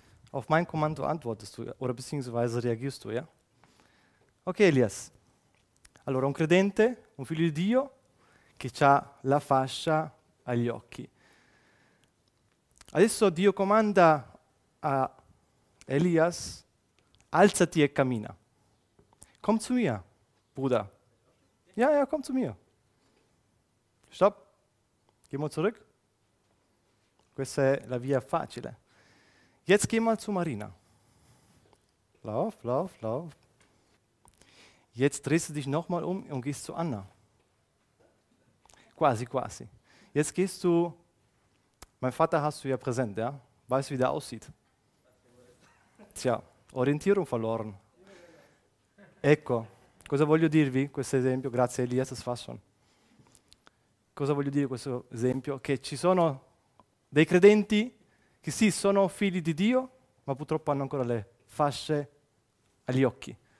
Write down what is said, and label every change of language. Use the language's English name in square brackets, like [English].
[German] Auf mein Kommando antwortest du, oder beziehungsweise reagierst du, ja? Ok, Elias. [Italian] Allora, un credente, un figlio di Dio, che ha la fascia agli occhi. Adesso Dio comanda a Elias: alzati e cammina. [German] Komm zu mir, Bruder. Ja, komm zu mir. Stopp. Gehen wir zurück. [Italian] Questa è la via facile. [German] Jetzt geh mal zu Marina. Lauf. Jetzt drehst du dich nochmal um und gehst zu Anna. Quasi. Jetzt gehst du, mein Vater hast du ja präsent, ja? Weißt, wie der aussieht. Tja, Orientierung verloren. [Italian] Ecco, cosa voglio dirvi questo esempio? Grazie Elias Fasson. Cosa voglio dire questo esempio? Che ci sono dei credenti che sì, sono figli di Dio, ma purtroppo hanno ancora le fasce agli occhi.